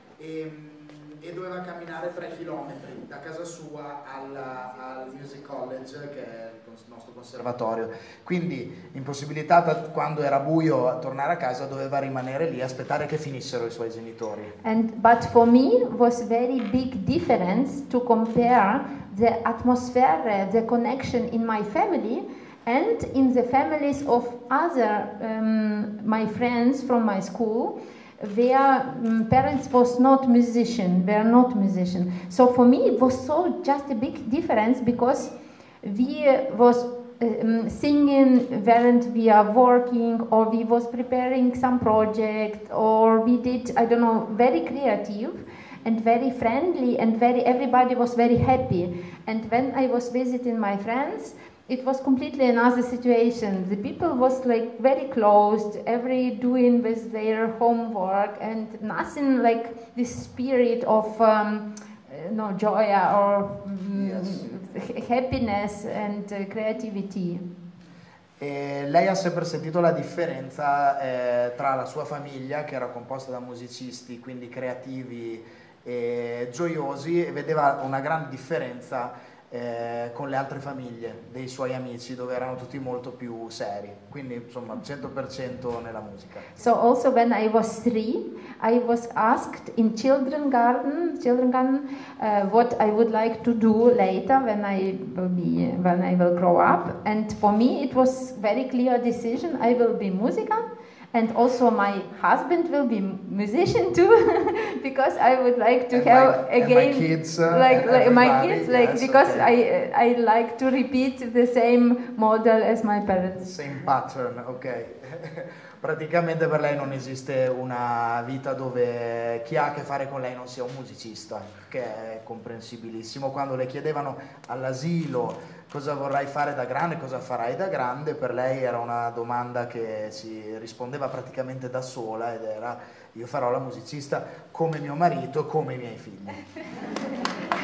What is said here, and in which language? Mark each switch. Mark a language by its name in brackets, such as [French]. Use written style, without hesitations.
[Italian] E doveva camminare 3 chilometri da casa sua al Music College, che è il nostro conservatorio. Quindi, impossibilitata quando era buio a tornare a casa, doveva rimanere lì, aspettare che finissero i suoi genitori. [English] But for me was very big difference to compare the atmosphere, the connection in my family and in the families of other my friends from my school. Their parents was not musician, they are not musician. So for me it was so just a big difference because we was singing, weren't we are working, or we was preparing some project, or we did, I don't know, very creative and very friendly and very everybody was very happy. And when I was visiting my friends, it was completely another situation. The people was like very closed, every doing with their homework and nothing like this spirit of no joy or yes. Happiness and creativity. [Italian] E lei ha sempre sentito la differenza tra la sua famiglia, che era composta da musicisti, quindi creativi e gioiosi, e vedeva una grande differenza con le altre famiglie dei suoi amici, dove erano tutti molto più seri, quindi insomma 100% nella musica. [English] So also when I was 3, I was asked in children's garden what I would like to do later when I will grow up, and for me it was very clear decision, I will be musician. And also my husband will be musician too, because I would like to and have my, again my kids, like my kids, like, yes, because okay. I like to repeat the same model as my parents. Same pattern, okay. [Italian] Praticamente per lei non esiste una vita dove chi ha a che fare con lei non sia un musicista, che è comprensibilissimo. Quando le chiedevano all'asilo cosa vorrai fare da grande, cosa farai da grande, per lei era una domanda che si rispondeva praticamente da sola, ed era: io farò la musicista come mio marito, come i miei figli.